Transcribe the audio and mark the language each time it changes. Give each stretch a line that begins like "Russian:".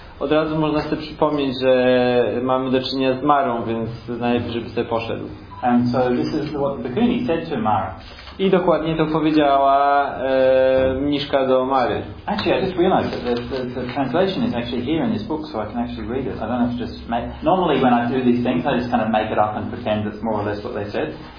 Polish: od razu można sobie przypomnieć, że mamy do czynienia z Marą, więc najlepiej, żeby sobie poszedł.
English: And so this is what the Bhikkhuni said to Mara.
Polish: I dokładnie to powiedziała mniszka do Mary.
English: Actually, I just realized that the translation is actually here in this book, so I can actually read it. I don't have to just make. Normally, when I do these things, I just kind of make it up and pretend that's more or less what they said.